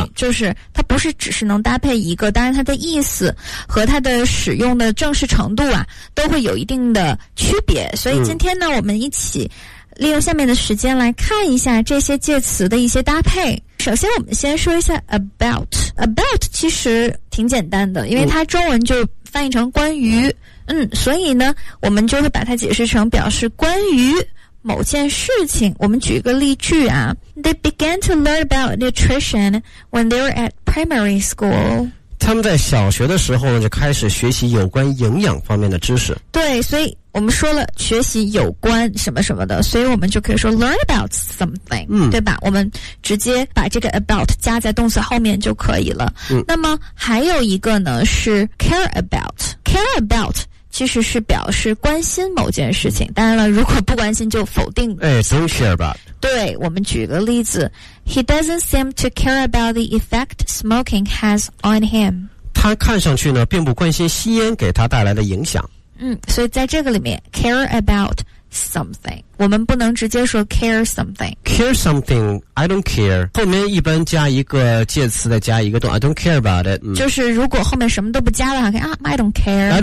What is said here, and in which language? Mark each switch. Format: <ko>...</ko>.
<zh>哎，就是它不是只是能搭配一个，当然它的意思和它的使用的正式程度啊都会有一定的区别，所以今天呢，我们一起利用下面的时间来看一下这些介词的一些搭配。首先我们先说一下 about。about 其实挺简单的，因为它中文就翻译成关于，嗯，所以呢我们就会把它解释成表示关于某件事情。我们举一个例句啊，</zh> <en>They began to learn about nutrition when they were at primary school.</en> <zh>他们在小学的时候呢，就开始学习有关营养方面的知识。对，所以我们说了学习有关什么什么的，所以我们就可以说</zh> <en>learn about something,、嗯、</en> <zh>对吧，我们直接把这个 about 加在动词后面就可以了、嗯、那么还有一个呢是 care about。 care about其实是表示关心某件事情，当然了如果不关心就否定。</zh> <en>哎， don't care about。</en> <zh>对，我们举个例子，</zh> <en>He doesn't seem to care about the effect smoking has on him。</en> <zh>他看上去呢并不关心吸烟给他带来的影响。嗯，所以在这个里面</zh> <en>care about something</en> <zh>我们不能直接说</zh> <en>care something。 care something I don't care</en> <zh>后面一般加一个介词再加一个动词，</zh> <en>I don't care about it、</en> <zh>嗯、就是如果后面什么都不加的话，可以啊</zh> <en>I don't care。</en>